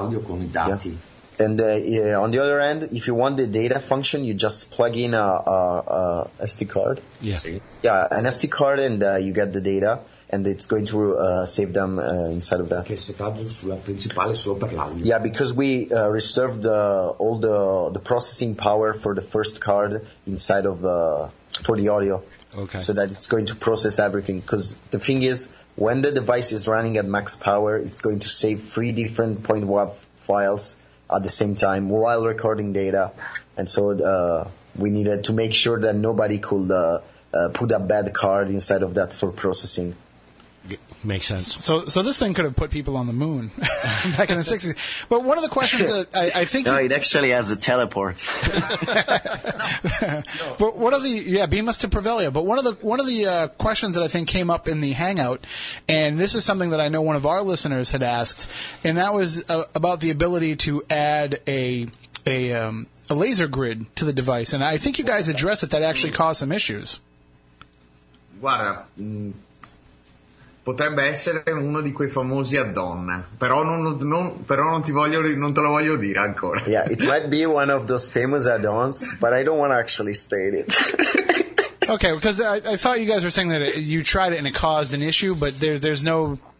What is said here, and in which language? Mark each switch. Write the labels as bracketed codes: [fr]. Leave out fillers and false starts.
[en] And on the other end, if you want the data function, you just plug in a SD card. Yeah, an SD card, and you get the data. And it's going to save them inside of that. [it] Che il settaggio sulla principale solo per l'audio. [en] Yeah, because we reserved all the processing power for the first card inside of for the audio. Okay. So that it's going to process everything. Because the thing is, when the device is running at max power, it's going to save 3 different point WAV files at the same time while recording data. And so we needed to make sure that nobody could put a bad card inside of that for processing. Makes sense. So this thing could have put people on the moon back in the 60s. But one of the questions that I think... No, it actually has a teleport. But one of the... Yeah, beam us to Prevelia. But one of the questions that I think came up in the Hangout, and this is something that I know one of our listeners had asked, and that was about the ability to add a laser grid to the device. And I think you guys addressed that actually caused some issues. [it] Guarda... Potrebbe essere uno di quei famosi add-on, però non te lo voglio dire ancora. [en] Yeah, it might be one of those famous add-ons, but I don't want to actually state it. Okay, because I thought you guys were saying that you tried it and it caused an issue, but there's no...